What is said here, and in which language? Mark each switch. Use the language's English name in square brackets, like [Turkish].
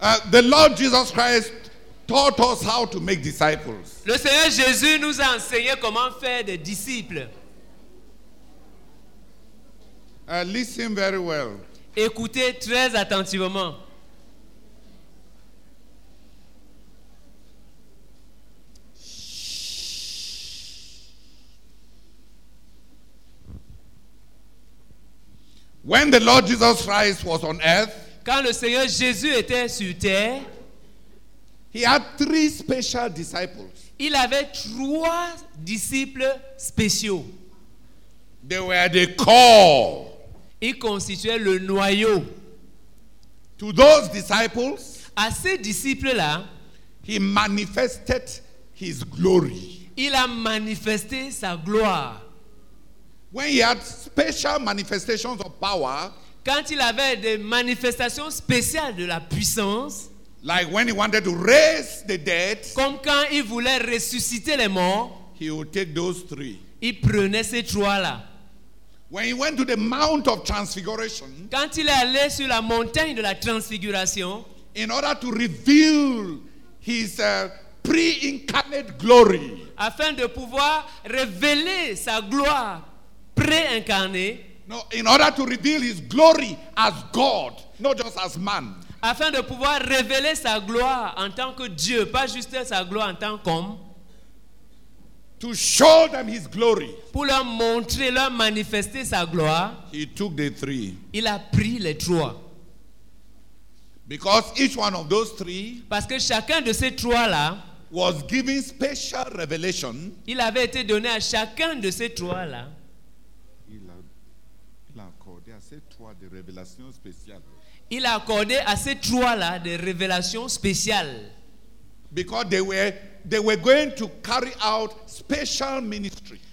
[English] The Lord Jesus Christ taught us how to make disciples. [French] Le Seigneur Jésus nous a enseigné comment faire des disciples. [English] Listen very well. [French] Écoutez très attentivement. [English] When the Lord Jesus Christ was on earth, [French] quand le Seigneur Jésus était sur terre, [English] he had three special disciples. [French] Il avait trois disciples spéciaux. [English] They were the core. [French] Ils constituaient le noyau. [English] To those disciples, [French] à ces disciples-là, [English] he manifested his glory. [French] Il a manifesté sa gloire. [English] When he had special manifestations of power, [French] quand il avait des manifestations spéciales de la puissance, [English] like when he wanted to raise the dead, [French] comme quand il voulait ressusciter les morts, [English] he would take those three. [French] Il prenait ces trois-là. [English] When he went to the Mount of Transfiguration, [French] quand il est allé sur la montagne de la Transfiguration, [English] in order to reveal his pre-incarnate glory, [French] afin de pouvoir révéler sa gloire pré-incarnée, [English] no, in order to reveal his glory as God, not just as man, [French] afin de pouvoir révéler sa gloire en tant que Dieu, pas juste sa gloire en tant qu'homme, [English] to show them his glory, [French] pour leur montrer, leur manifester sa gloire, [English] he took the three. [French] Il a pris les trois. [English] Because each one of those three, [French] parce que chacun de ces trois-là, [English] was given special revelation. [French] Il avait été donné à chacun de ces trois-là. Il a accordé à ces trois des révélations spéciales. Il a accordé à ces trois-là des révélations spéciales. [English] Because they were going to carry out special ministry.